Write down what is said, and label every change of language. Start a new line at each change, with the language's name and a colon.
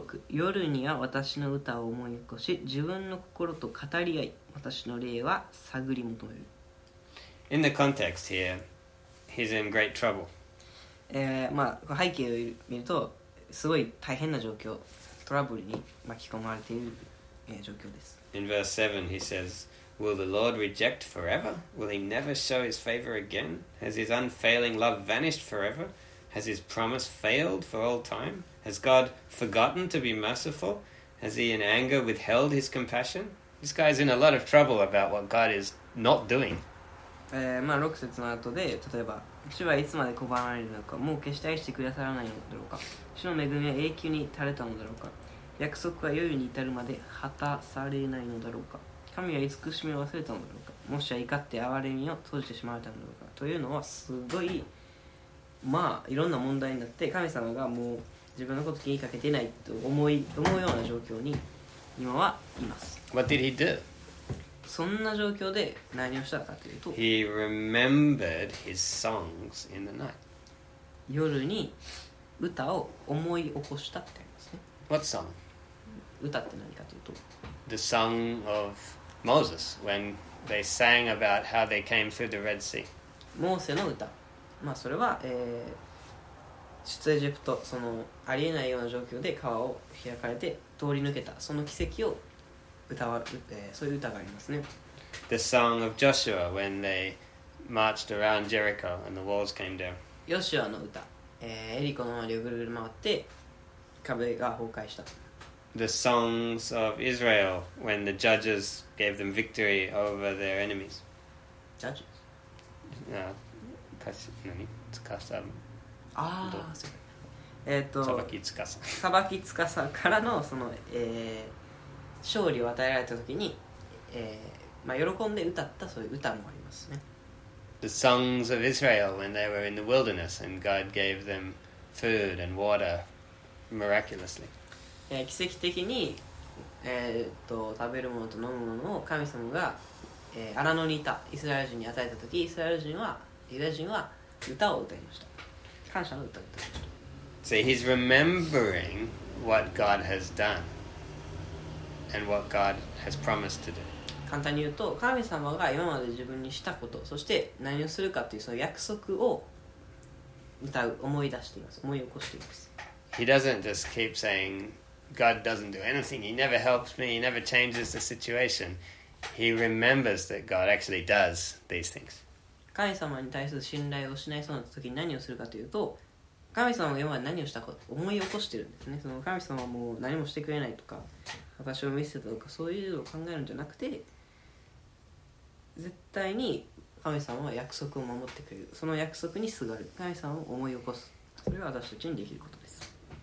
Japanese: 夜には私の歌を思い起こし、自分の心と語り合い、私の霊は探り求める。
English: In the context here, he's in great trouble.
Japanese: まあ、背景を見るとすごい大変な状況、トラブルに巻き込まれている、状況です。
English: In verse 7 he says, Will the Lord reject forever? Will he never show his favor again? Has his unfailing love vanished forever? Has his promise failed for all time? Has God forgotten to be merciful? Has he in anger withheld his compassion? This guy's in a lot of trouble about what God is not doing.
Japanese: まあ、6節の後で例えば主はいつまで拒まれるのか、もう決して愛してくださらないのだろうか、主の恵みは永久に垂れたのだろうか、約束は世々に至るまで果たされないのだろうか、神は慈しみを忘れたのだろうか、もしは怒って憐れみを閉じてしまわれたのだろうか、というのはすごい、まあいろんな問題になって、神様がもう自分のこと気にかけてないと思うような状況に今はいます。
English: What did he do
Japanese: そんな状況で何をしたかというと、
English: He remembered his songs in the night.
Japanese: 夜に歌を思い起こしたってありますね。
English: What song?
Japanese: 歌って何かというと、
English: The song of Moses when they sang about how they came through the Red Sea.
Japanese: モーセの歌。まあそれは、出エジプト、そのありえないような状況で川を開かれて通り抜けた、その奇跡を
English: The song of Joshua when they marched around Jericho and the walls came down.
Japanese: Joshua の歌、エリコの周りをぐるぐる回って壁が崩壊した。
English: The songs of Israel when the judges gave them victory over their enemies. Judges?
Japanese: No, 何？つかさ。ああ、さばきつかさ。さばきつかさからのその。勝利を与えられたときに、まあ、喜んで歌ったそういう歌もありますね。
English: The songs of Israel when they were in the wilderness and God gave them food and water miraculously.
Japanese: 奇跡的に、食べるものと飲むものを神様が、アラノにいたイスラエル人に与えたとき、イスラエル人は、ユダヤ人は歌を歌いました。感謝の歌を歌いました。
English: So he's remembering what God has done. And what God has promised to do.
Japanese: 簡単に言うと、神様が今まで自分にしたこと、そして何をするかというその約束を歌う、思い出しています、思い起こしています。
English: He doesn't just keep saying God doesn't do anything. He never helps me. He never changes the situation. He remembers that God actually does these things.
Japanese: 神様に対する信頼を失いそうな時に何をするかというと、神様が今まで何をしたか思い起こしているんですね。その神様はもう何もしてくれないとか。私を見せたとかそういうのを考えるんじゃなくて、絶対に神様は約束を守ってくれる、その約束にすがる、神様を思い起こす、それは私たちにできることです。